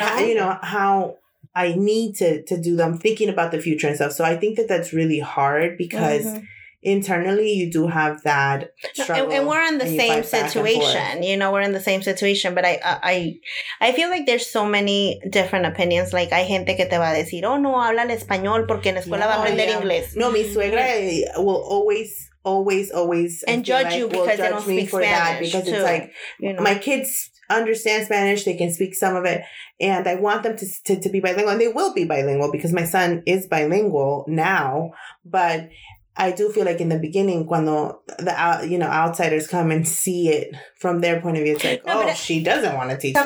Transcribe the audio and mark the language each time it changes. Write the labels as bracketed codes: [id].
[en] How, you know, how I need to do them, thinking about the future and stuff. So I think that's really hard because mm-hmm. internally you do have that struggle. And we're in the same situation. You know, we're in the same situation. But I feel like there's so many different opinions. [es] Like, hay gente que te va a decir, oh, no, habla el español porque en la escuela va a aprender inglés. No, mi suegra [en] will always... Always, and judge you because they don't speak Spanish. Because too. It's like, you know, my kids understand Spanish, they can speak some of it, and I want them to be bilingual, and they will be bilingual because my son is bilingual now, but I do feel like in the beginning, when the outsiders come and see it from their point of view, it's like, she doesn't want to teach